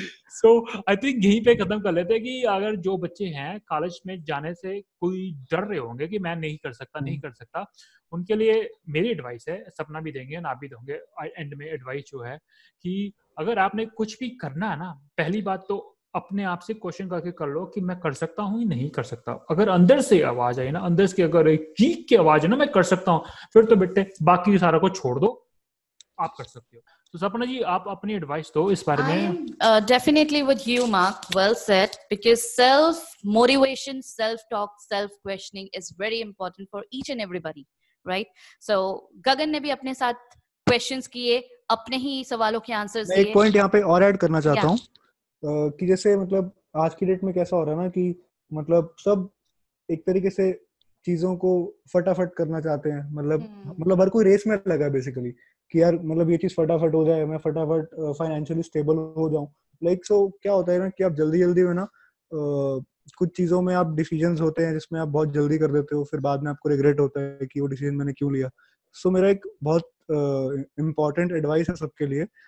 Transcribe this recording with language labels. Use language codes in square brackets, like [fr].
[hi] So I think यहीं पे खत्म कर लेते हैं कि अगर जो बच्चे हैं कॉलेज में जाने से कोई डर रहे होंगे कि मैं नहीं कर सकता नहीं कर सकता, उनके लिए मेरी एडवाइस है, सपना भी देंगे ना आप भी दोगे एंड में एडवाइस जो है कि अगर आपने कुछ भी करना है ना, पहली बात तो अपने आप से क्वेश्चन करके कर लो कि मैं कर सकता हूँ या नहीं कर सकता, अगर अंदर से आवाज आई ना, अंदर से अगर एक चीख की आवाज है ना मैं कर सकता हूँ, फिर तो बेटे बाकी सारा को छोड़ दो, आप कर सकते हो। तो सपना जी आप अपनी एडवाइस दो इस बारे में। [en] Definitely with you, Mark. Well said. Because self motivation, self talk, self questioning is very important for each and everybody, right? [hi] So Gagan ने भी अपने साथ questions किए, अपने ही सवालों के answers दिए। एक point यहाँ पे और add करना चाहता हूँ कि जैसे मतलब आज की डेट में कैसा हो रहा है ना कि मतलब सब एक तरीके से चीजों को फटाफट करना चाहते हैं, मतलब हर कोई रेस में लगा बेसिकली कि यार मतलब ये चीज फटाफट हो जाए, मैं फटाफट फाइनेंशियली स्टेबल हो जाऊं, लाइक सो क्या होता है ना कि आप जल्दी जल्दी में ना कुछ चीजों में आप डिसीजंस होते हैं जिसमें आप बहुत जल्दी कर देते हो, फिर बाद में आपको रिग्रेट होता है कि वो डिसीजन मैंने क्यों लिया। सो मेरा एक बहुत इम्पोर्टेंट एडवाइस है सबके लिए